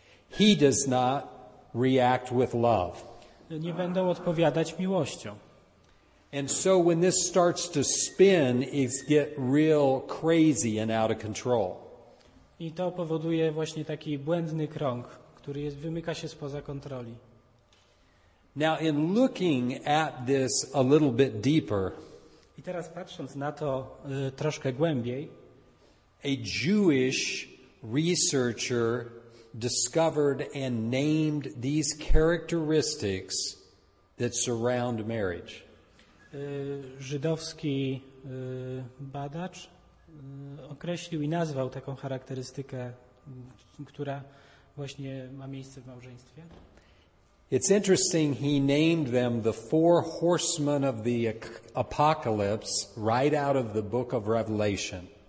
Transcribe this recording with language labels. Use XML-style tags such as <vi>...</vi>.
<en>He does not react with love.</en> <pl>Nie będą odpowiadać miłością.</pl> <en>And so when this starts to spin, it gets real crazy and out of control.</en> <pl>I to powoduje właśnie taki błędny krąg, który jest, wymyka się spoza kontroli.</pl> <en>Now in looking at this a little bit deeper,</en> <pl>i teraz patrząc na to troszkę głębiej,</pl> <en>a Jewish researcher discovered and named these characteristics that surround marriage.</en> <pl>Żydowski badacz określił i nazwał taką charakterystykę, która właśnie ma miejsce w małżeństwie.</pl> <en>It's interesting, he named them the four horsemen of the apocalypse right out of the book of Revelation.</en>